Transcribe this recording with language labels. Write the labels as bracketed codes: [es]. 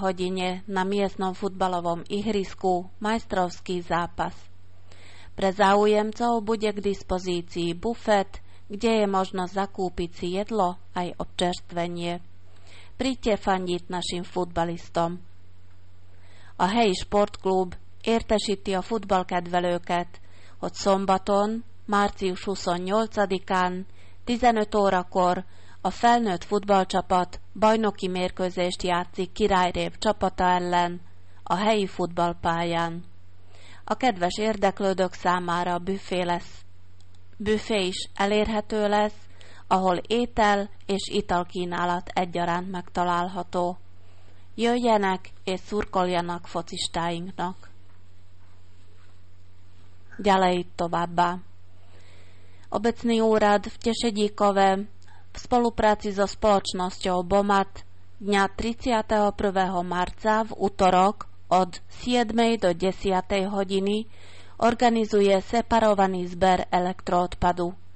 [sk] hodine na miestnom futbalovom ihrisku majstrovský zápas. Pre záujemcov bude k dispozícii bufet, kde je možnosť zakúpiť si jedlo aj občerstvenie. Príďte fandiť našim futbalistom. [hu] A helyi sportklub értesíti a futballkedvelőket, hogy szombaton, március 28-án, 15 órakor a felnőtt futballcsapat bajnoki mérkőzést játszik Királyrév csapata ellen a helyi futballpályán. A kedves érdeklődők számára büfé lesz. Büfé is elérhető lesz, ahol étel és italkínálat egyaránt megtalálható. Jöjjenek és szurkoljanak focistáinknak. [sk] Ďalej [hu] továbbá. [sk] Obecný úrad v Tešedíkove v spolupráci so spoločnosťou BOMAT dňa 31. marca v utorok od 7. do 10. hodiny organizuje separovaný zber elektroodpadu.